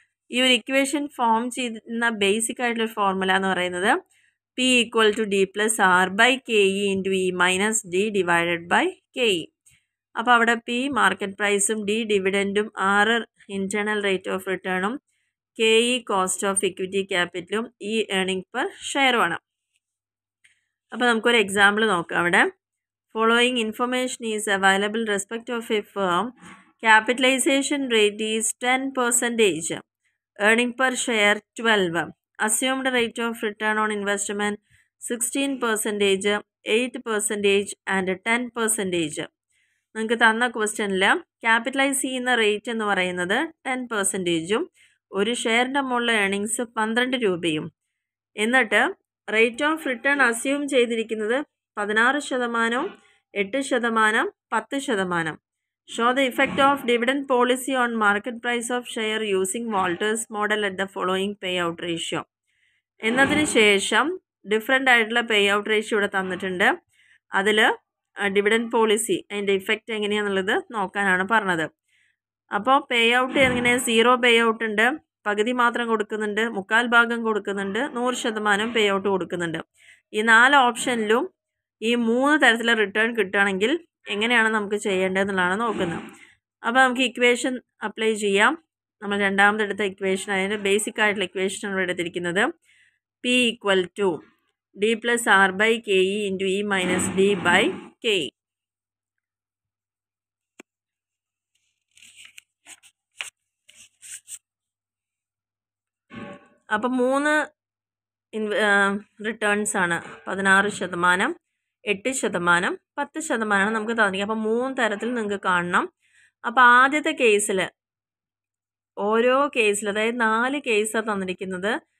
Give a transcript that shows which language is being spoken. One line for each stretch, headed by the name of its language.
Malayalam: ഈ ഒരു equation form ചെയ്യുന്ന ബേസിക് ആയിട്ടുള്ള ഫോർമുല എന്ന് പറയുന്നത്
English: P equal to D plus R by K E
Malayalam: into E minus D divided by K E. അപ്പോൾ അവിടെ പി മാർക്കറ്റ് പ്രൈസും, D ഡിവിഡൻഡും, R internal rate of റിട്ടേണും, K E cost of equity ക്യാപിറ്റലും, E earning per ഷെയറുമാണ്. അപ്പോൾ നമുക്കൊരു example നോക്കാം.
English: അവിടെ following information is available respect of a firm, capitalization rate is 10%, earning per share 12, assumed rate of return on investment 16%, 8% and 10%.
Malayalam: നിങ്ങൾക്ക് തന്ന ക്വസ്റ്റ്യനിൽ capitalise ചെയ്യുന്ന rate എന്ന് പറയുന്നത് 10%, ഒരു ഷെയറിൻ്റെ മുകളിലെ ഏർണിങ്സ് 12 രൂപയും, എന്നിട്ട് റേറ്റ് ഓഫ് റിട്ടേൺ അസ്യൂം ചെയ്തിരിക്കുന്നത് 16%, 8%, 10%.
English: Show the effect of dividend policy on market price of share using Walter's model at the following payout ratio.
Malayalam: എന്നതിന് ശേഷം ഡിഫറെൻ്റ് ആയിട്ടുള്ള പേ ഔട്ട് റേഷ്യോ ഇവിടെ തന്നിട്ടുണ്ട്. അതിൽ ഡിവിഡൻഡ് പോളിസി അതിൻ്റെ ഇഫക്റ്റ് എങ്ങനെയാണെന്നുള്ളത് നോക്കാനാണ് പറഞ്ഞത്. അപ്പോൾ പേ ഔട്ട് എങ്ങനെ, 0 പേ ഔട്ട് ഉണ്ട്, പകുതി മാത്രം കൊടുക്കുന്നുണ്ട്, മുക്കാൽ ഭാഗം കൊടുക്കുന്നുണ്ട്, 100% പേ ഔട്ട് കൊടുക്കുന്നുണ്ട്. ഈ 4 ഓപ്ഷനിലും ഈ 3 തരത്തിലെ റിട്ടേൺ കിട്ടുകയാണെങ്കിൽ എങ്ങനെയാണ് നമുക്ക് ചെയ്യേണ്ടതെന്നുള്ളതാണ് നോക്കുന്നത്. അപ്പോൾ നമുക്ക് ഇക്വേഷൻ അപ്ലൈ ചെയ്യാം. നമ്മൾ രണ്ടാമത് എടുത്ത ഇക്വേഷൻ, അതിൻ്റെ ബേസിക് ആയിട്ടുള്ള ഇക്വേഷൻ ആണ് ഇവിടെ എടുത്തിരിക്കുന്നത്.
English: P equal to d plus r by ke into e minus d by ke.
Malayalam: Appa 3 returns aanu 16 shathamanam 8 shathamanam 10 shathamanam namukku thanniki appa 3 tarathil ningalku kaananam appa aadyathe case-il ഓരോ കേസിൽ അതായത് നാല് കേസാണ് തന്നിരിക്കുന്നത്.